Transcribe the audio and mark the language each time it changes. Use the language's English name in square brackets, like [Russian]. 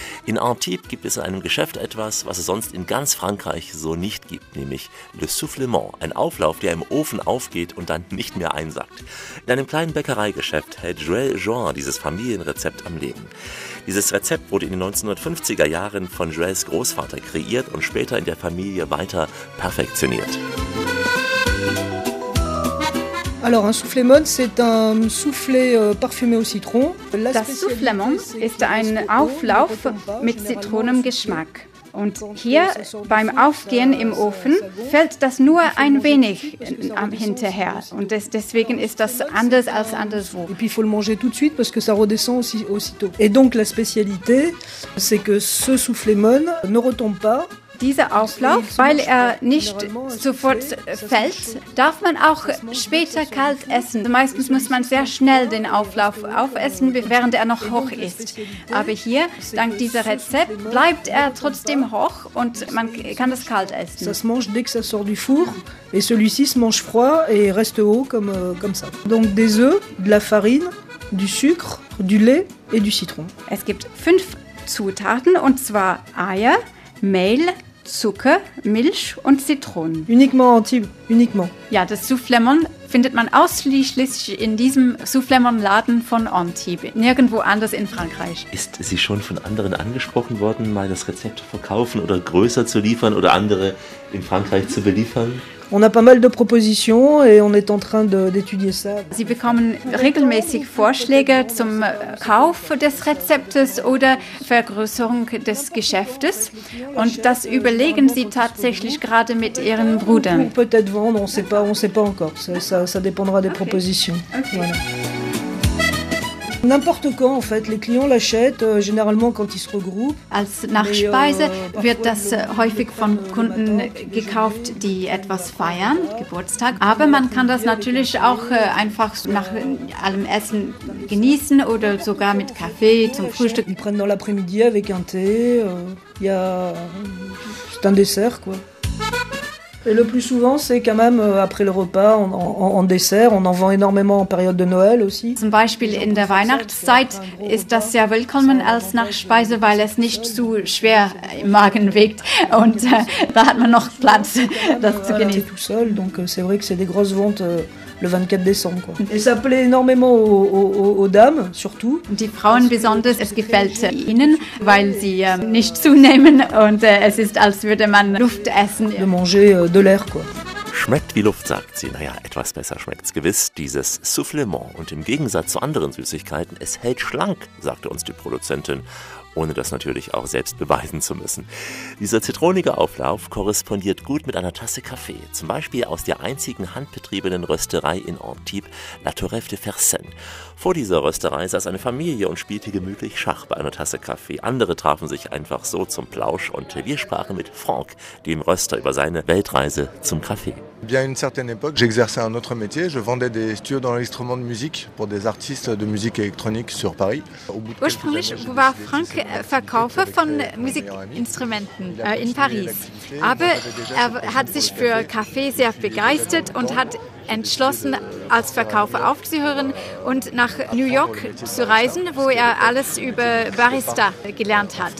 [German] In Antibes gibt es in einem Geschäft etwas, was es sonst in ganz Frankreich so nicht gibt, nämlich Le Soufflement, ein Auflauf, der im Ofen aufgeht und dann nicht mehr einsackt. In einem kleinen Bäckereigeschäft hält Joël Jean dieses Familienrezept am Leben. Dieses Rezept wurde in den 1950er Jahren von Joëls Großvater kreiert und später in der Familie weiter perfektioniert. [French] Alors, un soufflement, c'est un soufflet parfumé au citron. [German] Das Soufflement ist ein Auflauf mit Zitronengeschmack. Und hier beim Aufgehen im Ofen fällt das nur ein wenig am hinterher. Und deswegen ist das anders als anderswo. [French] Et puis il faut le manger tout de suite parce que ça redescend aussi aussitôt. Et donc la spécialité, c'est que ce soufflement ne retombe pas. [German] Dieser Auflauf, weil er nicht sofort fällt, darf man auch später kalt essen. Meistens muss man sehr schnell den Auflauf aufessen, während er noch hoch ist. Aber hier, dank dieser Rezept, bleibt er trotzdem hoch und man kann es kalt essen. [French] Ça se mange dès que ça sort du four. Et celui-ci se mange froid et reste haut comme ça. Donc des œufs, de la farine, du sucre, du lait et du citron. [German] Es gibt 5 Zutaten, und zwar Eier, Mehl, Zucker, Milch und Zitronen. [French] Uniquement Antibes, uniquement. [German] Ja, das Soufflemon findet man ausschließlich in diesem Soufflemon-Laden von Antibes, nirgendwo anders in Frankreich. Ist sie schon von anderen angesprochen worden, mal das Rezept zu verkaufen oder größer zu liefern oder andere in Frankreich zu beliefern? [French] On a pas mal de propositions et on est en train d'étudier ça. [German] Sie bekommen regelmäßig Vorschläge zum Kauf des Rezeptes oder Vergrößerung des Geschäftes. Und das überlegen Sie tatsächlich gerade mit Ihren Brüdern. [French] Peut-être vendre, on sait pas encore. Ça dépendra des propositions. Voilà. N'importe quand, en fait, les clients l'achètent, généralement quand ils se regroupent. [German] Als Nachspeise wird das häufig von Kunden gekauft, die etwas feiern, Geburtstag. Aber man kann das natürlich auch einfach nach allem Essen genießen oder sogar mit Kaffee zum Frühstück. [French] Ils prennent dans l'après-midi avec un thé. Il y a, c'est un dessert, quoi. Et le plus souvent, c'est quand même après le repas, en dessert. On en vend énormément en période de Noël aussi. [German] Zum Beispiel in der Weihnachtszeit ist das sehr willkommen als Nachspeise, weil es nicht zu schwer im Magen wiegt. Und da hat man noch Platz, das zu genießen. [French] C'est tout seul, donc c'est vrai que c'est des grosses ventes le 24 décembre. Quoi. Et ça plaît énormément aux dames, surtout. [German] Die Frauen besonders, es gefällt ihnen, weil sie nicht zunehmen und es ist, als würde man Luft essen. [French] De manger de l'air, quoi. [German] Schmeckt wie Luft, sagt sie. Naja, etwas besser schmeckt's gewiss, dieses Soufflement. Und im Gegensatz zu anderen Süßigkeiten, es hält schlank, sagte uns die Produzentin, ohne das natürlich auch selbst beweisen zu müssen. Dieser zitronige Auflauf korrespondiert gut mit einer Tasse Kaffee, zum Beispiel aus der einzigen handbetriebenen Rösterei in Antibes, La Tourette de Fersen. Vor dieser Rösterei saß eine Familie und spielte gemütlich Schach bei einer Tasse Kaffee. Andere trafen sich einfach so zum Plausch und wir sprachen mit Franck, dem Röster, über seine Weltreise zum Kaffee. [French] Bien une certaine époque, j'exerçais un autre métier. Je vendais des studios d'enregistrement de musique pour des artistes de musique électronique sur Paris. [German] Ursprünglich war Frank Verkäufer von Musikinstrumenten in Paris. Aber er hat sich für Kaffee sehr begeistert und hat entschlossen, als Verkäufer aufzuhören und nach New York zu reisen, wo er alles über Barista gelernt hat.